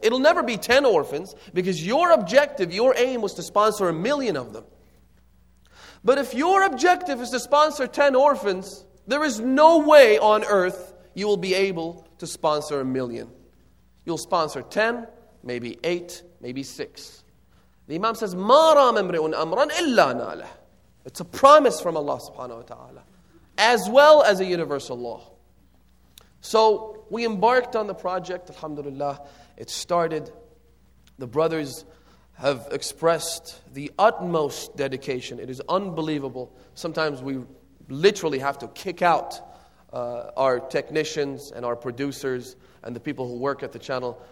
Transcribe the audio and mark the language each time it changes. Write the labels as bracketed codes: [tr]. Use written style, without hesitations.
[en] It'll never be 10 orphans, because your objective, your aim was to sponsor 1 million of them. But if your objective is to sponsor 10 orphans, there is no way on earth you will be able to sponsor 1 million. You'll sponsor 10, maybe 8, maybe 6. The imam says, [ar] مَا رَامَ امْرِئٌ أَمْرًا إِلَّا نَالَهُ. [en] It's a promise from Allah subhanahu wa ta'ala, as well as a universal law. So we embarked on the project, alhamdulillah. It started. The brothers have expressed the utmost dedication. It is unbelievable. Sometimes we literally have to kick out our technicians and our producers and the people who work at the channel.